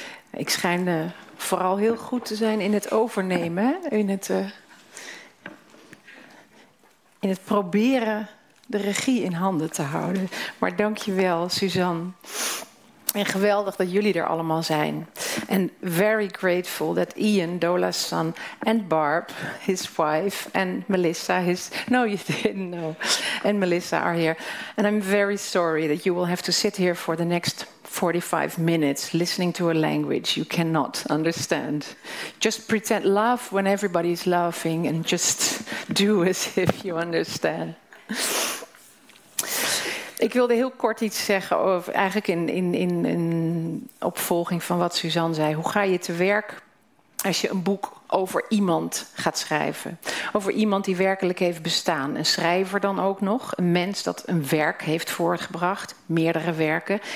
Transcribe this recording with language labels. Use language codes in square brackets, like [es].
[nl] Ik schijn vooral heel goed te zijn in het overnemen. In het proberen de regie in handen te houden. Maar dankjewel, Suzanne. En geweldig dat jullie er allemaal zijn. [en] And very grateful that Ian, Dola's son, and Barb, his wife, and Melissa, his... No, you didn't know. And Melissa are here. And I'm very sorry that you will have to sit here for the next 45 minutes listening to a language you cannot understand. Just pretend, laugh when everybody's laughing, and just do as if you understand. [nl] Ik wilde heel kort iets zeggen over, eigenlijk in opvolging van wat Suzanne zei. Hoe ga je te werk als je een boek over iemand gaat schrijven? Over iemand die werkelijk heeft bestaan. Een schrijver dan ook nog. Een mens dat een werk heeft voortgebracht. Meerdere werken.